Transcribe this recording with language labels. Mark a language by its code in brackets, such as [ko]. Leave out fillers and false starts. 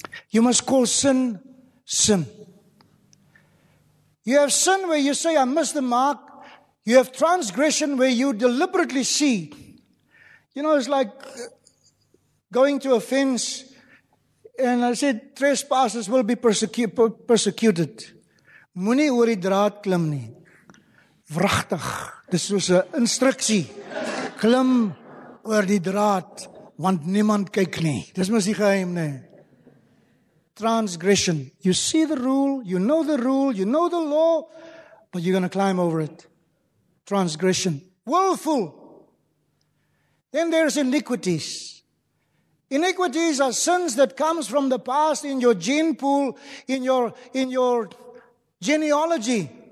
[en] You must call sin, sin. You have sin where you say, I missed the mark. You have transgression where you deliberately see. You know, it's like going to a fence and I said, trespassers will be persecuted. [af] Moenie oor die draad klim nie. Wragtig. Dis soos 'n instruksie. Klim oor die draad, want niemand kyk nie. Dis mos die geheim nie. Transgression. [en] You see the rule, you know the rule, you know the law, but you're going to climb over it. Transgression. Willful. Then there's iniquities. Iniquities are sins that comes from the past in your gene pool, in your genealogy.